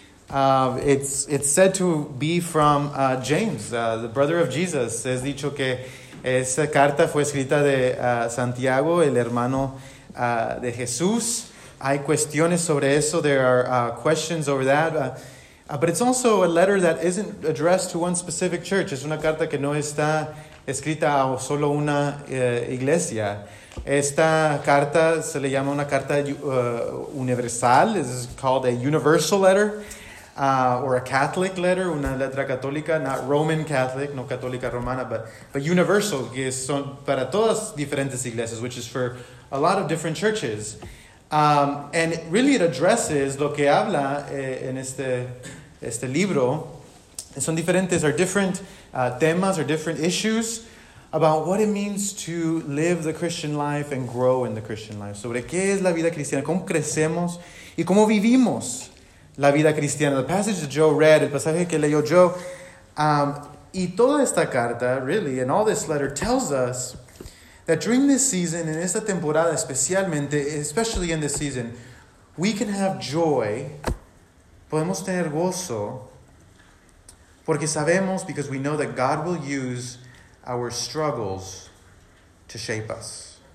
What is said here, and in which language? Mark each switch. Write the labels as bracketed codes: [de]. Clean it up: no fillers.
[en] It's said to be from James, the brother of Jesus. [es] Es dicho que esa carta fue escrita de Santiago, el hermano de Jesús. Hay cuestiones sobre eso. [en] There are questions over that. But it's also a letter that isn't addressed to one specific church. [es] Es una carta que no está escrita a solo una iglesia. Esta carta se le llama una carta universal. [en] This is called a universal letter. Or a Catholic letter, [es] una letra católica, [en] not Roman Catholic, [es] no católica romana, [en] but universal, [es] que son para todas diferentes iglesias, [en] which is for a lot of different churches. And really it addresses [es] lo que habla en este libro. Son diferentes, [en] are different [es] temas [en] or different issues about what it means to live the Christian life and grow in the Christian life. [es] Sobre qué es la vida cristiana, cómo crecemos y cómo vivimos la vida cristiana. [en] The passage that Joe read, [es] el pasaje que leyó Joe, y toda esta carta, [en] really, and all this letter tells us that during this season, [es] en esta temporada especialmente, [en] especially in this season, we can have joy, [es] podemos tener gozo, porque sabemos, [en] because we know that God will use our struggles to shape us.